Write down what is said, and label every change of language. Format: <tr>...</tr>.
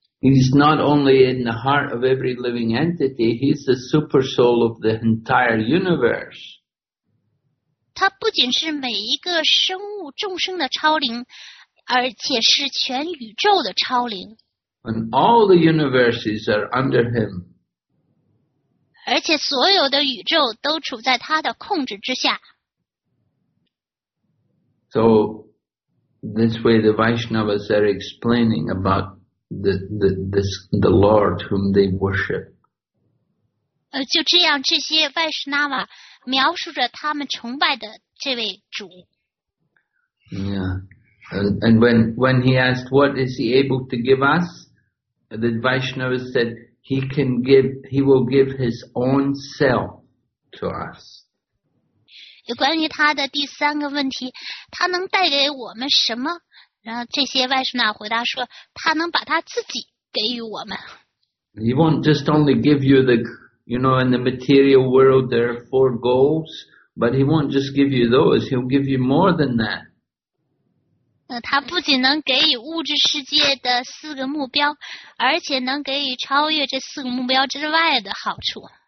<en>He's not only in the heart of every living entity, he's the super soul of the entire universe.</en> <zh>他不仅是每一个生物众生的超灵，而且是全宇宙的超灵。</zh> <en>And all the universes are under him.</en> <zh>而且所有的宇宙都处在他的控制之下。</zh> <en>So, this way the Vaishnavas are explaining about the Lord whom they worship.</en> <zh>就这样，这些 Vaishnava 描述着他们崇拜的这位主。</zh> <en>Yeah. And when he asked, what is he able to give us? The Vaishnava said, he will give his own self to us.</en> <zh>关于他的第三个问题，他能带给我们什么？然后这些 Vaishnava 回答说，他能把他自己给予我们。</zh> <en>He won't just only give you the, in the material world, there are four goals, but he won't just give you those, he'll give you more than that.</en> <zh>他不仅能给予物质世界的四个目标，而且能给予超越这四个目标之外的好处。</zh>